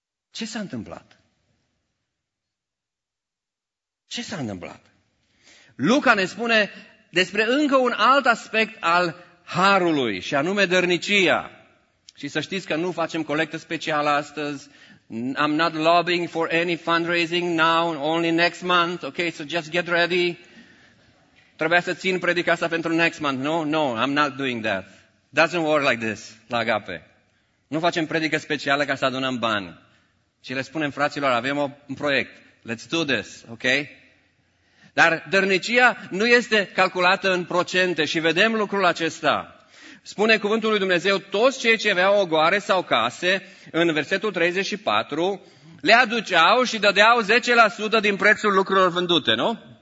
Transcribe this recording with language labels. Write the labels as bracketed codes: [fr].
[ro] Ce s-a întâmplat? Luca ne spune despre încă un alt aspect al harului, și anume dărnicia. Și să știți că nu facem colectă specială astăzi. [en] I'm not lobbying for any fundraising now, only next month. Okay, so just get ready. [ro] Trebuia să țin predica asta pentru [en] next month. No, I'm not doing that. Doesn't work like this, la Agape. [ro] Nu facem predică specială ca să adunăm bani. Ci le spunem fraților, avem un proiect. [en] Let's do this, ok? [ro] Dar dărnicia nu este calculată în procente și vedem lucrul acesta. Spune cuvântul lui Dumnezeu, toți cei ce aveau ogoare sau case, în versetul 34, le aduceau și dădeau 10% din prețul lucrurilor vândute, nu?